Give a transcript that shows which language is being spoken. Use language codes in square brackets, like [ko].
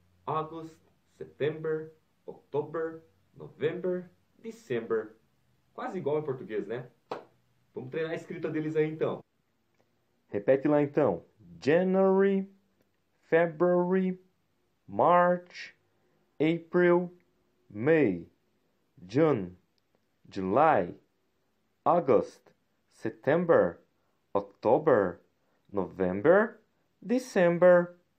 [en] August, September, October, November, December. [pt] Quase igual em português, né? Vamos treinar a escrita deles aí então. Repete lá então. [en] January, February, March, April, May, June, July, August, September, October, November, December.